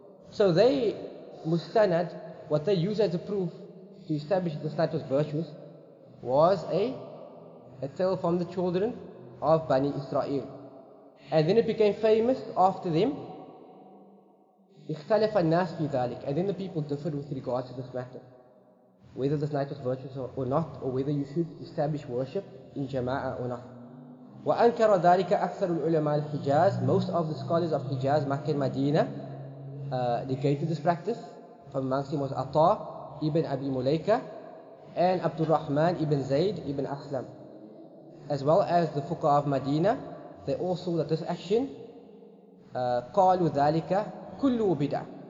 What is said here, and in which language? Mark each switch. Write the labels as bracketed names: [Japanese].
[English] So they, Mustanad, what they use as a proof to establish the status of virtues was a tale from the children of Bani Israel. And then it became famous after them. [Arabic] اختلف الناس في ذلك. [English] And then the people differed with regards to this matter, whether this night was virtuous or not, or whether you should establish worship in Jama'ah or not. [Arabic] وأنكر ذلك أكثر العلماء الحجاز. [English] Most of the scholars of Hijaz, Makkah and Medina, negated this practice. From amongst them was Atta ibn Abi Mulaika and Abdul Rahman ibn Zayd ibn Aslam, as well as the Fuqa of Medina. They all saw that this action, [Arabic] قالوا ذلك كله بدع.